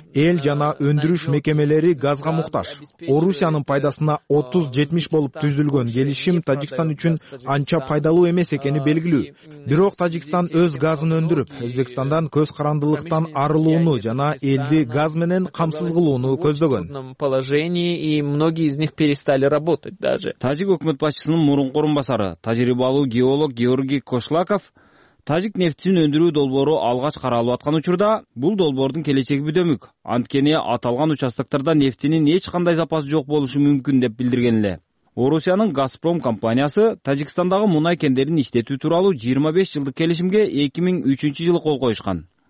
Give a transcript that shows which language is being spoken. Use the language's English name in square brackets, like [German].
[Kyrgyz] Эл жана өндүрүш мекемелери газга муктаж. Орусиянын пайдасына 30-70 болуп түзүлгөн келишим Тажикстан үчүн анча пайдалуу эмес экени белгилүү. Бирок Тажикстан өз газын өндүрүп, Өзбекстан стандан көз карандылыктан арылууну жана элди газ менен камсыз кылууну көздөгөн. [Russian] Положение и многие из них перестали работать даже. [Kyrgyz] Тажик өкмөт башчысынын мурунку орун басары, тажрыйбалуу геолог Георгий Кошлаков тажик нефтисин өндүрүү долбоору алгач каралып аткан учурда бул долбоордун келечеги бүдөмүк, анткени аталган участоктордо нефтинин эч кандай запасы жок болушу мүмкүн деп билдирген эле. Орусиянын Газпром компаниясы Тажикстандагы мунай кендерин иштетүү тууралуу 25 жылдык келишимге 2003 жылы кол коюшкан.